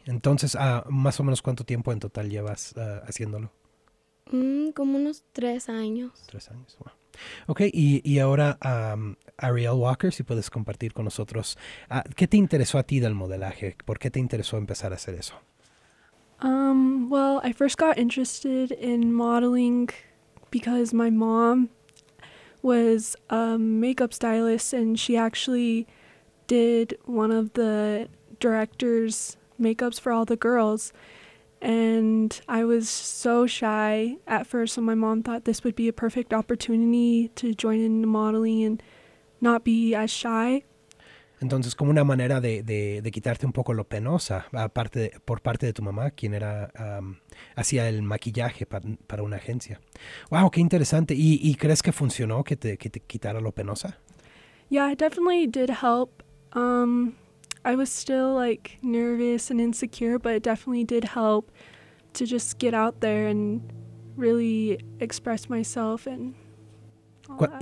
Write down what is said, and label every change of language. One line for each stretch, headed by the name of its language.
Spanish: Entonces, más o menos, ¿cuánto tiempo en total llevas haciéndolo? Como unos 3 años. 3 años, wow. Ok, y ahora Arielle Walker, si puedes compartir con nosotros, ¿qué te interesó a ti del modelaje? ¿Por qué te interesó empezar a hacer eso?
English: Well, I first got interested in modeling because my mom was a makeup stylist and she actually did one of the director's makeups for all the girls. And I was so shy at first, so my mom thought this would be a perfect opportunity to join in modeling and not be as shy.
Spanish: Entonces, como una manera de quitarte un poco lo penosa por parte de tu mamá, quien era hacía el maquillaje para una agencia. Wow, qué interesante. ¿Y crees que funcionó que te quitara lo penosa?
English: Yeah, it definitely did help. I was still like nervous and insecure, but it definitely did help to just get out there and really express myself and all that.